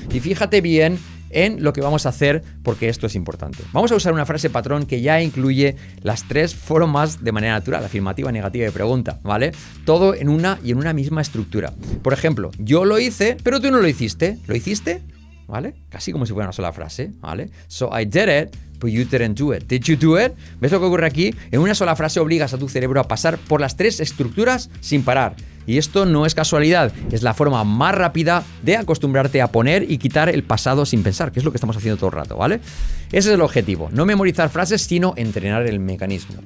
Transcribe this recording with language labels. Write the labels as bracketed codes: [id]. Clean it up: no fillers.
[es] Y fíjate bien en lo que vamos a hacer, porque esto es importante. Vamos a usar una frase patrón que ya incluye las tres formas de manera natural, afirmativa, negativa y pregunta, ¿vale? Todo en una y en una misma estructura. Por ejemplo, yo lo hice, pero tú no lo hiciste. ¿Lo hiciste? ¿Vale? Casi como si fuera una sola frase, ¿vale? [en] So I did it, but you didn't do it. Did you do it? [es] ¿Ves lo que ocurre aquí? En una sola frase obligas a tu cerebro a pasar por las tres estructuras sin parar. Y esto no es casualidad, es la forma más rápida de acostumbrarte a poner y quitar el pasado sin pensar, que es lo que estamos haciendo todo el rato, ¿vale? Ese es el objetivo, no memorizar frases, sino entrenar el mecanismo.